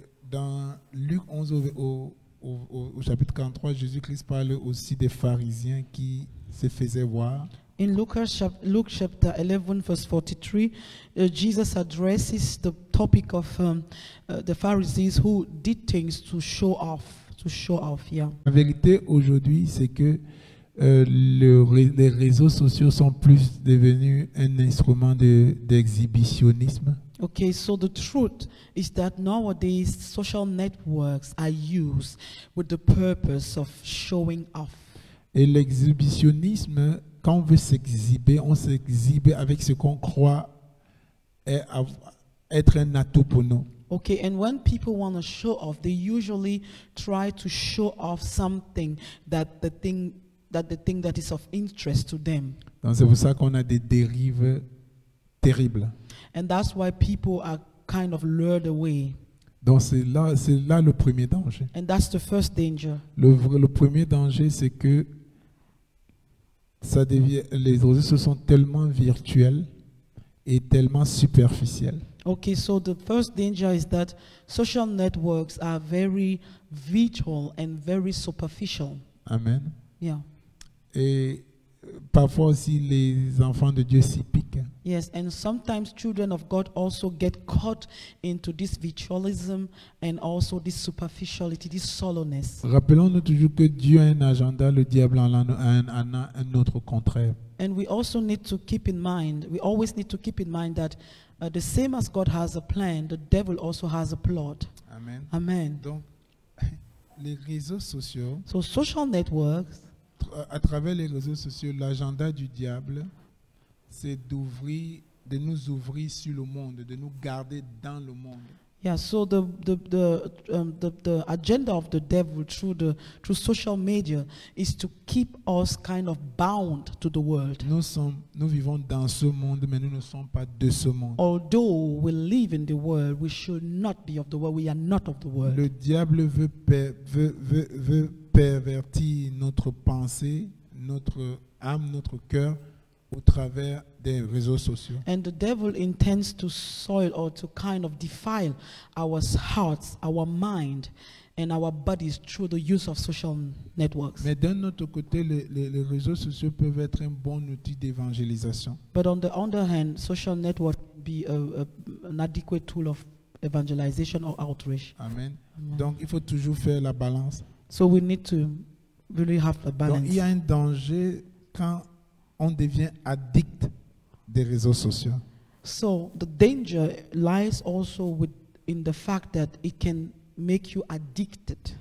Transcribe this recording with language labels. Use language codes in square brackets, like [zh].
[fr] Dans Luc 11 au chapitre 43, Jésus-Christ parle aussi des pharisiens qui se faisaient voir. [en] In Luke chapter 11 verse 43, Jesus addresses the topic of the Pharisees who did things to show off. [fr] La vérité aujourd'hui, c'est que les réseaux sociaux sont plus devenus un instrument d'exhibitionnisme. [en] Okay, so the truth is that nowadays social networks are used with the purpose of showing off. [fr] Et l'exhibitionnisme, quand on veut s'exhiber, on s'exhibe avec ce qu'on croit être un atout pour nous. [en] Okay, and when people want to show off, they usually try to show off something that the thing that is of interest to them. [fr] Donc c'est pour ça qu'on a des dérives terribles. [en] And that's why people are kind of lured away. [fr] Donc c'est là le premier danger. [en] And that's the first danger. [fr] Le premier danger, c'est que ça devient, les réseaux sociaux sont tellement virtuels et tellement superficiels. [en] Okay, so the first danger is that social networks are very virtual and very superficial. Amen. Yeah. [fr] Et parfois aussi les enfants de Dieu s'y piquent. [en] Yes, and sometimes children of God also get caught into this virtualism and also this superficiality, this shallowness. [fr] Rappelons-nous toujours que Dieu a un agenda, le diable a un autre contraire. [en] And we also need to keep in mind, we always need to keep in mind that the same as God has a plan, the devil also has a plot. Amen. Amen. [fr] Donc, les réseaux sociaux. [en] So social networks. [fr] À travers les réseaux sociaux, l'agenda du diable, c'est d'ouvrir, de nous ouvrir sur le monde, de nous garder dans le monde. [en] Yeah. So the agenda of the devil through social media is to keep us kind of bound to the world. [fr] Nous vivons dans ce monde, mais nous ne sommes pas de ce monde. [en] Although we live in the world, we should not be of the world. We are not of the world. [fr] Le diable veut pervertir notre pensée, notre âme, notre cœur au travers des réseaux sociaux. [en] And the devil intends to soil or to kind of defile our hearts, our mind and our bodies through the use of social networks. [fr] Mais d'un autre côté, les réseaux sociaux peuvent être un bon outil d'évangélisation. [en] But on the other hand, social network be an adequate tool of evangelization or outreach. [fr] Amen. Amen. Donc il faut toujours faire la balance. [en] So we need to really have a balance. [fr] Donc il y a un danger quand on devient addict des réseaux sociaux. [en] So the danger lies also in the fact that it can make you addicted.